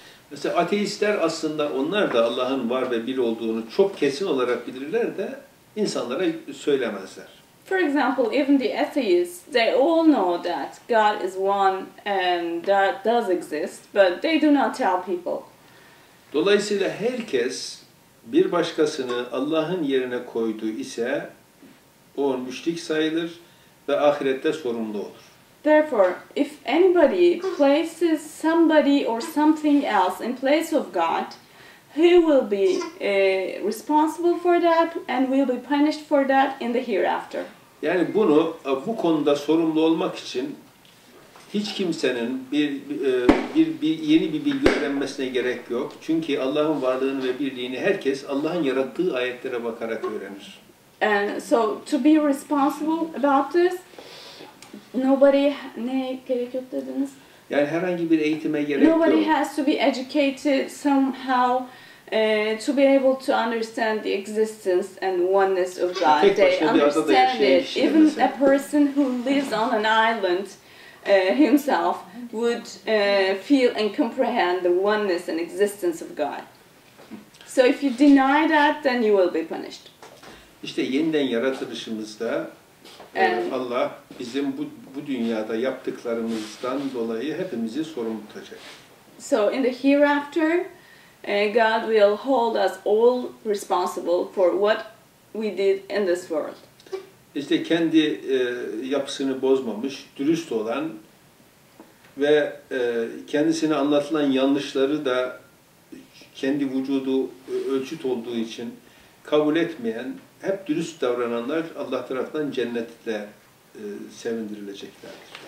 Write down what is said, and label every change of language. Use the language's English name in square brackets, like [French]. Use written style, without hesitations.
[Turkish] Mesela ateistler aslında onlar da Allah'ın var ve bir olduğunu çok kesin olarak bilirler de insanlara söylemezler. [English] For example, even the atheists, they all know that God is one and that does exist, but they do not tell people. [Turkish] Dolayısıyla herkes bir başkasını Allah'ın yerine koydu ise o müşrik sayılır ve ahirette sorumlu olur. [English] Therefore, if anybody places somebody or something else in place of God, he will be responsible for that and will be punished for that in the hereafter. [Turkish] Yani bunu bu konuda sorumlu olmak için hiç kimsenin bir yeni bir bilgi öğrenmesine gerek yok. Çünkü Allah'ın varlığını ve birliğini herkes Allah'ın yarattığı ayetlere bakarak öğrenir. [English] And so to be responsible about this, nobody [Turkish] ne gerek yok dediniz? Yani herhangi bir eğitime gerek [English] nobody [Turkish] yok. [English] Nobody has to be educated somehow to be able to understand the existence and oneness of God. They understand it. Even a person who lives on an island himself would feel and comprehend the oneness and existence of God. So if you deny that, then you will be punished. [Turkish] İşte yeniden yaratılışımızda Allah bizim bu dünyada yaptıklarımızdan dolayı hepimizi sorumlu tutacak. [English] So in the hereafter, God will hold us all responsible for what we did in this world. [Turkish] İşte kendi yapısını bozmamış, dürüst olan ve kendisine anlatılan yanlışları da kendi vücudu ölçüt olduğu için kabul etmeyen, hep dürüst davrananlar Allah tarafından cennette sevindirileceklerdir.